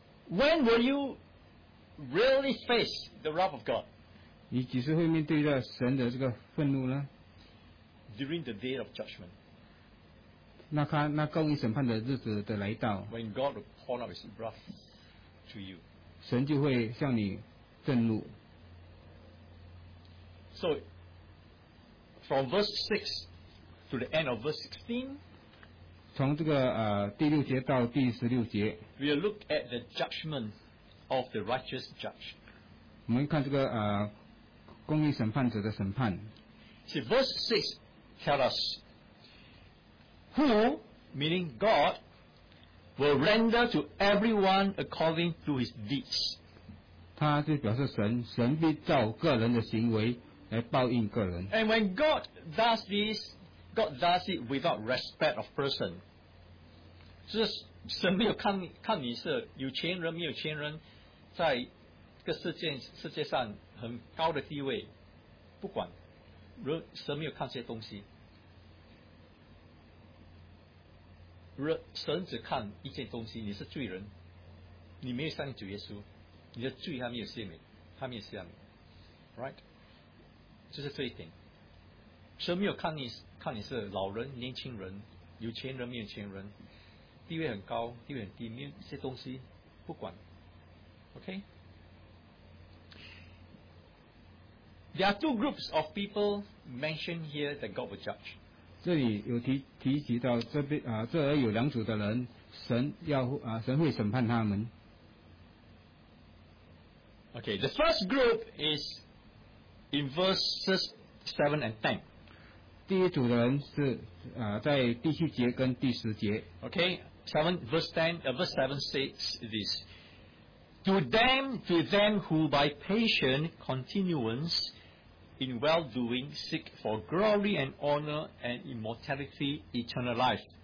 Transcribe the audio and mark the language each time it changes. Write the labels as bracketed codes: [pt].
[en] When will you really face the wrath of God？ [zh] 你几时会面对到神的这个愤怒呢？ [en] During the day of judgment, [zh] 那公义审判的日子的来到 [en] ，When God will pour out His wrath to you, [zh] 神就会向你震怒。 [en] So, from verse 6 to the end of verse 16, [zh] 从这个第六节到第十六节 [en] ，We will look at the judgment of the righteous judge. [zh] 我们看这个公义审判者的审判。 [en] See verse 6. Tell us who, meaning God, will render to everyone according to his deeds. [zh] 他就表示神，神必照个人的行为来报应个人。 [en] And when God does this, God does it without respect of person. [zh] 就是神没有看你是有钱人没有钱人，在这个世界上很高的地位，不管，神没有看这些东西。神只看一件东西，你是罪人，你没有相信主耶稣，你的罪还没有赦免，还没有赦免 ，right？ 就是这一点。神没有看你是老人、年轻人、有钱人、没有钱人，地位很高、地位很低，没有这些东西，不管， [en] Okay? There are two groups of people mentioned here that God will judge. [zh] 这里有提及到这边有两组的人，神会审判他们。 [en] Okay, the first group is in verses 7 and 10. [zh] 第一组的人是在第七节跟第十节。 [en] Okay, verse 7 says this. To them who by patient continuance in well-doing seek for glory and honor and immortality, eternal life.